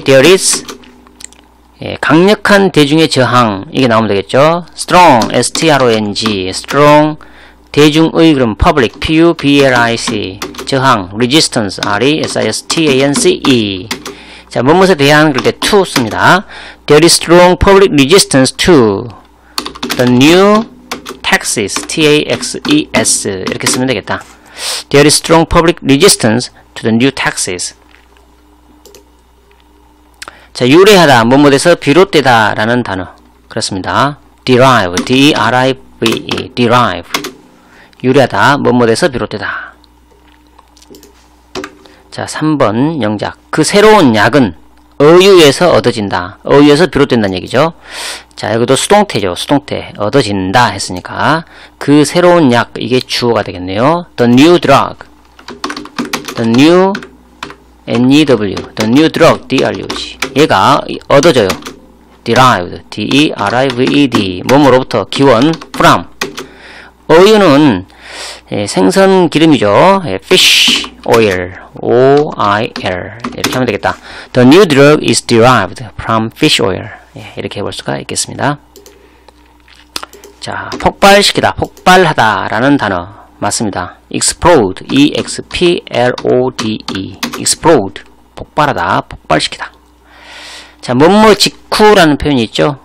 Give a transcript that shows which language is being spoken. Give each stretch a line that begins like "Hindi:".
English: There is
Korean: 예, 강력한 대중의 저항. 이게 나오면 되겠죠.
English: Strong, S-T-R-O-N-G. Strong,
Korean: 대중의 그럼
English: public, P-U-B-L-I-C.
Korean: 저항,
English: resistance, R-E-S-I-S-T-A-N-C-E.
Korean: 자, 뭐뭐에 대한 그렇게 to 씁니다.
English: There is strong public resistance to the new taxes, T-A-X-E-S.
Korean: 이렇게 쓰면 되겠다.
English: There is strong public resistance to the new taxes.
Korean: 자, 유래하다, 뭐뭐에서 비롯되다 라는 단어. 그렇습니다.
English: derive, D-R-I-V-E, derive.
Korean: 유래하다, 뭐뭐에서 비롯되다. 자, 3번 영작. 그 새로운 약은 어유에서 얻어진다. 어유에서 비롯된다는 얘기죠. 자, 여기도 수동태죠. 수동태. 얻어진다 했으니까. 그 새로운 약, 이게 주어가 되겠네요.
English: The new drug. The new, N-E-W. The new drug, D-R-U-G.
Korean: 얘가 얻어져요.
English: Derived, D-E-R-I-V-E-D.
Korean: 몸으로부터 기원, from. 어유는 예, 생선 기름이죠.
English: 예, fish oil, O-I-L. 이렇게 하면 되겠다. The new drug is derived from fish oil.
Korean: 예, 이렇게 해볼 수가 있겠습니다. 자, 폭발시키다, 폭발하다 라는 단어 맞습니다.
English: explode, E-X-P-L-O-D-E, explode,
Korean: 폭발하다, 폭발시키다. 자, 뭐뭐 직후라는 표현이 있죠.